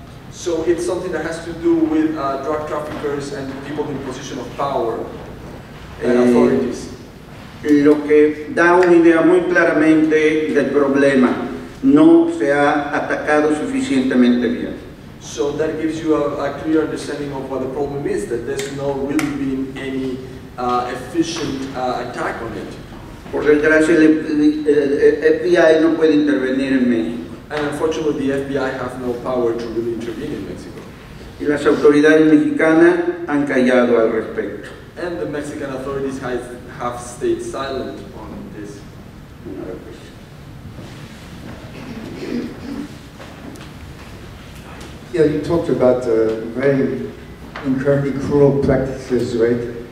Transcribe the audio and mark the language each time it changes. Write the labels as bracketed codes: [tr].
[en] So it's something that has to do with drug traffickers and people in position of power and authorities. [es] Lo que da una idea muy claramente del problema, no se ha atacado suficientemente bien. [en] So that gives you a clear understanding of what the problem is, that there's no really been any efficient attack on it. [es] Por desgracia, el FBI no puede intervenir en México. [en] And unfortunately, the FBI have no power to really intervene in Mexico. [es] Y las autoridades mexicanas han callado al respecto. [en] And the Mexican authorities have stayed silent on this. Another question. Yeah, you talked about very incredibly cruel practices, right?